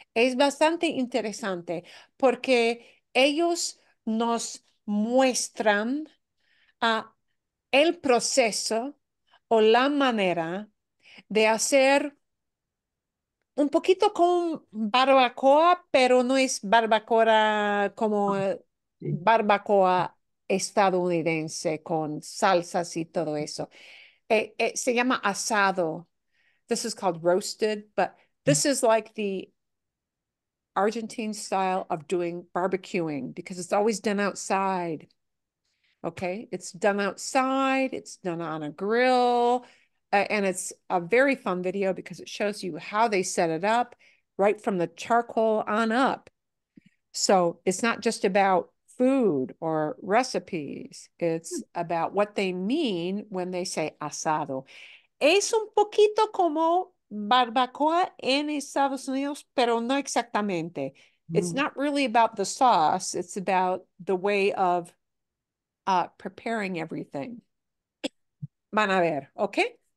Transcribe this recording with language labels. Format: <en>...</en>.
<es>Es bastante interesante, porque ellos nos muestran el proceso o la manera de hacer un poquito como barbacoa, pero no es barbacoa como barbacoa estadounidense con salsas y todo eso. Se llama asado.</es> <en>This is called roasted, but this is like the Argentine style of doing barbecuing because it's always done outside. Okay, it's done outside, it's done on a grill, and it's a very fun video because it shows you how they set it up right from the charcoal on up. So it's not just about food or recipes, it's about what they mean when they say asado.</en> <es>Es un poquito como barbacoa en Estados Unidos, pero no exactamente.</es> <en>It's not really about the sauce. It's about the way of preparing everything.</en> <es>Van a ver, okay?</es>